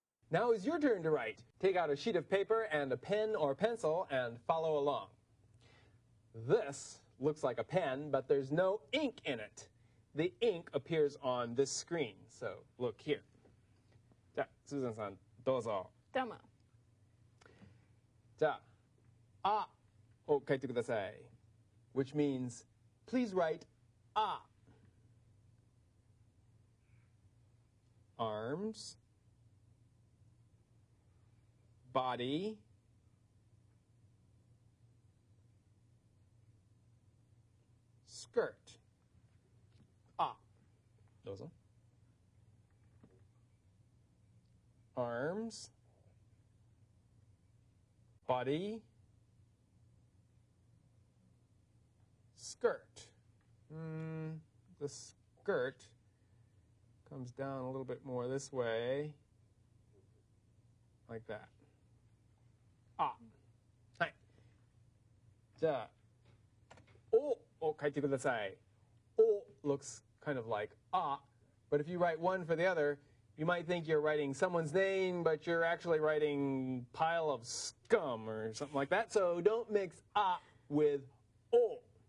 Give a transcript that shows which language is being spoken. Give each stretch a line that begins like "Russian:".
English: Now is your turn to write. Take out a sheet of paper and a pen or pencil and follow along. This looks like a pen, but there's no ink in it. The ink appears on this screen, so look here.
Japanese: じゃ、スーザンさん、どうぞ。どうも。じゃ、あを書いてください。
English: Which means, please write あ。 Arms. Body, skirt, ah,
Japanese: dozo,
English: arms, body, skirt. The skirt comes down a little bit more this way, like that.
Japanese: あ、はい。じゃあ、おを書いてください。
English: お looks kind of like あ、but if you write one for the other, you might think you're writing someone's name, but you're actually writing pile of scum or something like that. So don't mix あ with お。